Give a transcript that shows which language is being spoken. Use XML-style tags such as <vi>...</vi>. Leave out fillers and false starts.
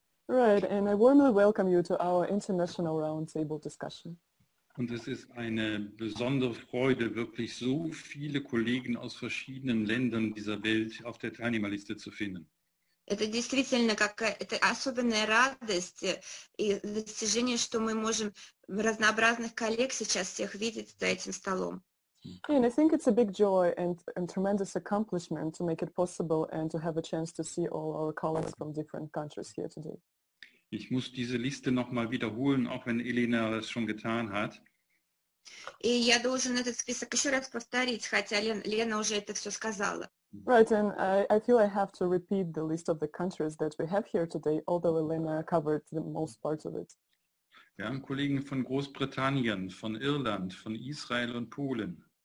<en>Right, and I warmly welcome you to our international round table discussion.</en> <de>Und es ist eine besondere Freude, wirklich so viele Kollegen aus verschiedenen Ländern dieser Welt auf der Teilnehmerliste zu finden.</de> <ru>Это действительно какая-то особенная радость и достижение, что мы можем разнообразных коллег сейчас всех видеть за этим столом.</ru> <en>And I think it's a big joy and tremendous accomplishment to make it possible and to have a chance to see all our colleagues from different countries here today.</en> <de>Ich muss diese Liste nochmal wiederholen, auch wenn Elena das schon getan hat.</de> <ru>И я должен этот список еще раз повторить, хотя Лена уже это все сказала.</ru> <en>Right, and I feel I have to repeat the list of the countries that we have here today, although Elena covered the most parts of it.</en> <de>Wir haben Kollegen von Großbritannien, von Irland, von Israel und Polen.</de>